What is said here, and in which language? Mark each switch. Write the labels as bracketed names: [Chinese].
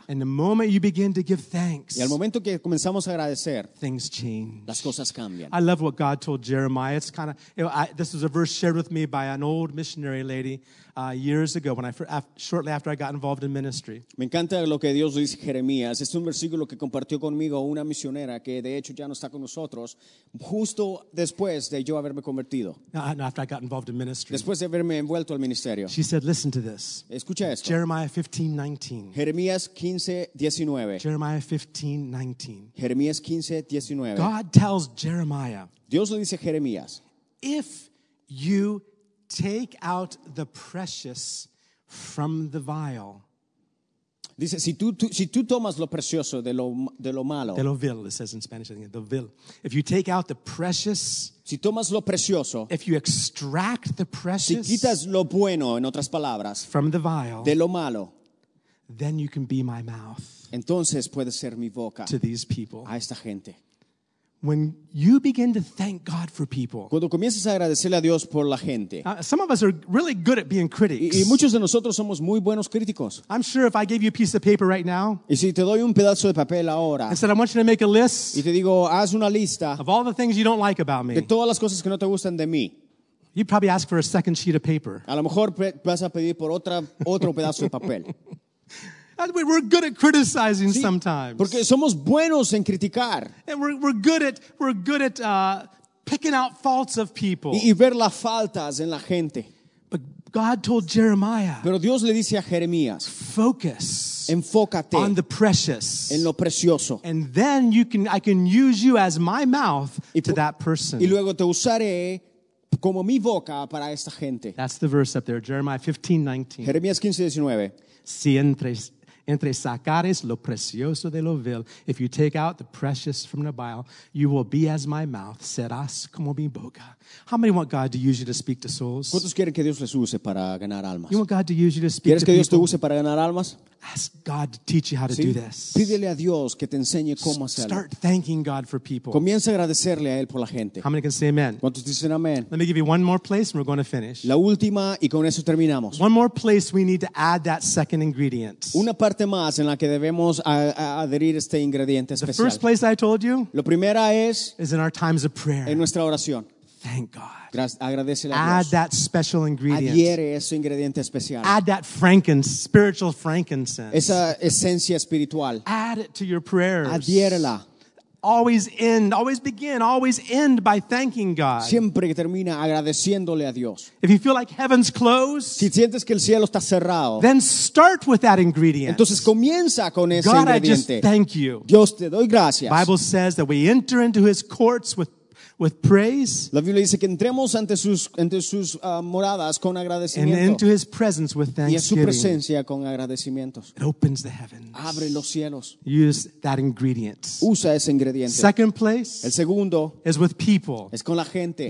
[English] And the moment you begin to give thanks, [Spanish] y al momento que comenzamos a agradecer, [English] things change. [Spanish] Las cosas cambian. [English] I love what God told Jeremiah. It's kind of, you know, this was a verse shared with me by an old missionary lady years ago, shortly after I got involved in ministry. [Spanish] Me encanta lo que Dios dice Jeremías. Es un versículo que compartió conmigo una misionera que de hecho ya no está con nosotros, justo después de yo haberme convertido. [English] No, after I got involved in ministry. [Spanish] Después de haberme envuelto al ministerio. [English] She said, listen to this. [Spanish] Escucha esto. [English] Jeremiah 15:19. [Spanish] Jeremías 15:19. [English] Jeremiah 15:19. [Spanish] Jeremías 15:19. [English] God tells Jeremiah. [Spanish] Dios le dice a Jeremías. [English] If you take out the precious from the vial. [Spanish] Dice si tú tomas lo precioso de lo malo. De lo vil, [English] it says in Spanish, I think, the vil. If you take out the precious. [Spanish] Si tomas lo precioso. [English] If you extract the precious. [Spanish] Si quitas lo bueno, en otras palabras. [English] From the vial. [Spanish] De lo malo. [English] Then you can be my mouth. [Spanish] Entonces puedes ser mi boca. [English] To these people. [Spanish] A esta gente. [English] When you begin to thank God for people. [Spanish] Cuando comiences a agradecerle a Dios por la gente. [English] Some of us are really good at being critics. [Spanish] Y muchos de nosotros somos muy buenos críticos. [English] I'm sure if I gave you a piece of paper right now. [Spanish] Y si te doy un pedazo de papel ahora. [English] And said, I want you to make a list. [Spanish] Y te digo, haz una lista. [English] Of all the things you don't like about me. [Spanish] De todas las cosas que no te gustan de mí. [English] You'd probably ask for a second sheet of paper. [Spanish] A lo mejor vas a pedir por otro pedazo de papel. [English] We're good at criticizing sometimes. [Spanish] Porque somos buenos en criticar. [English] And we're good at picking out faults of people. [Spanish] Y ver las faltas en la gente. [English] But God told Jeremiah. [Spanish] Pero Dios le dice a Jeremías. [English] Focus. [Spanish] Enfócate. [English] On the precious. [Spanish] En lo precioso. [English] And then I can use you as my mouth to that person. [Spanish] Y luego te usaré como mi boca para esta gente. [English] That's the verse up there, Jeremiah 15:19. [Spanish] Jeremías 15:19. Si entre sacares lo precioso de lo vil, [English] if you take out the precious from the vial, you will be as my mouth, [Spanish] serás como mi boca. [English] How many want God to use you to speak to souls? [Spanish] ¿Cuántos quieren que Dios les use para ganar almas? [English] You want God to use you to speak [Spanish] ¿Quieres [English] to [Spanish] que Dios [English] people? [Spanish] Te use para ganar almas? [English] Ask God to teach you how to [Spanish] ¿Sí? [English] Do this. [Spanish] Pídele a Dios que te enseñe cómo hacerlo. [English] Start thanking God for people. [Spanish] Comienza a agradecerle a Él por la gente. [English] How many can say amen? [Spanish] ¿Cuántos dicen amén? [English] Let me give you one more place and we're going to finish. [Spanish] La última y con eso terminamos. [English] One more place we need to add that second ingredient. [Spanish] Una parte más en la que debemos adherir este ingrediente especial. [English] The first place I told you [Spanish] lo primera es [English] is in our times of prayer. [Spanish] En nuestra oración. [English] Thank God. [Spanish] Agradecele a [English] Dios. Add that special ingredient. [Spanish] Adhiere ese ingrediente especial. [English] Add that spiritual frankincense. [Spanish] Esa esencia espiritual. [English] Add it to your prayers. [Spanish] Adhiérela. [English] Always end, always begin, always end by thanking God. [Spanish] Siempre termina agradeciéndole a Dios. [English] If you feel like heaven's closed, [Spanish] si sientes que el cielo está cerrado, [English] then start with that ingredient. [Spanish] Entonces comienza con ese [English] God, [Spanish] ingrediente. [English] God, I just thank you. [Spanish] Dios, te doy gracias. [English] The Bible says that we enter into his courts with praise. [Spanish] La Biblia dice que entremos ante sus moradas con agradecimiento. [English] And into his presence with thanksgiving. [Spanish] Y a su presencia con agradecimientos. [English] It opens the heavens. [Spanish] Abre los cielos. [English] Use that ingredient. [Spanish] Usa ese ingrediente. [English] Second place. [Spanish] El segundo. [English] Is with people. [Spanish] Es con la gente.